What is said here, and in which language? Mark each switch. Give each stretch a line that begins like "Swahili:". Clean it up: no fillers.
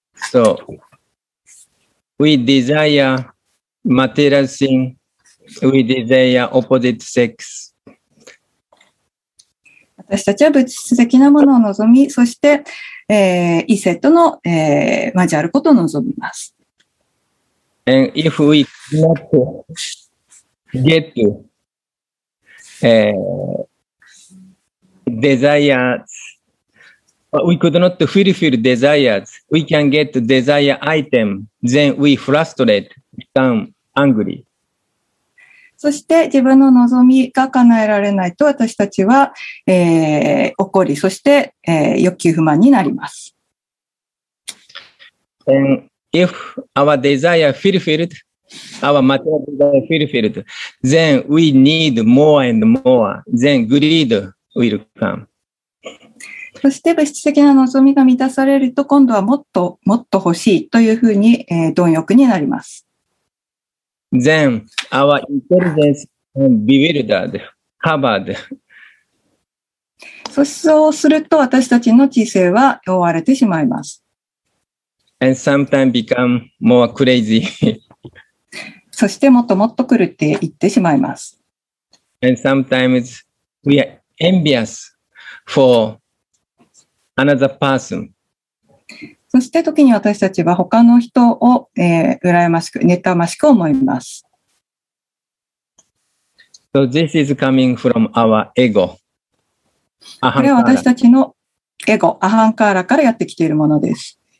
English: So, we desire material thing, we desire opposite sex.
Japanese: 私たちは物質的なものを望み、そして、異性との、交わることを望みます。
English: And if we cannot get desires, we could not fulfill desires, we can get desire item, then we frustrate, become angry.
Japanese: そして自分の望みが叶えられないと私たちは、怒り、そして、欲求不満になります。
English: And if our desire fulfilled, our material desire fulfilled, then we need more and more, then greed will come.
Japanese: そして物質的な望みが満たされると今度はもっともっと欲しいというふうに、貪欲になります。
English: Then our intelligence is bewildered, covered.
Japanese: そうすると私たちの知性は覆われてしまいます。
English: And sometimes become more crazy.
Japanese: そしてもっともっと狂っていってしまいます。
English: And sometimes we are envious for another person.
Japanese: そして時に私たちは他の人を、羨ましく、妬ましく思います。
English: So this is coming from our ego.
Japanese: これは私たちのエゴ、アハンカーラからやってきているものです。